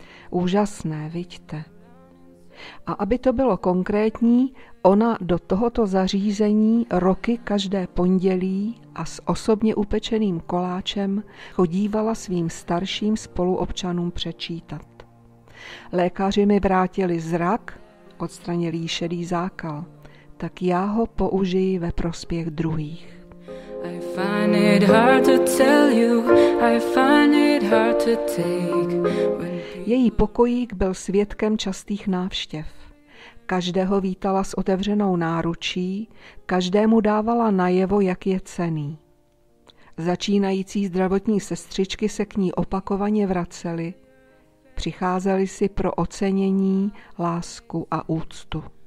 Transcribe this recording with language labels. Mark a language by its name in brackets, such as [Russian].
[Czech] Úžasné, vidíte. A aby to bylo konkrétní, ona do tohoto zařízení roky každé pondělí a s osobně upečeným koláčem chodívala svým starším spoluobčanům přečítat. Lékaři mi vrátili zrak, odstranil jí šedý zákal, tak já ho použiji ve prospěch druhých. [English] I find it hard to tell you, I find it hard to take. [Czech] Její pokojík byl svědkem častých návštěv. Každého vítala s otevřenou náručí, každému dávala najevo, jak je cenný. Začínající zdravotní sestřičky se k ní opakovaně vracely. Přicházely si pro ocenění, lásku a úctu.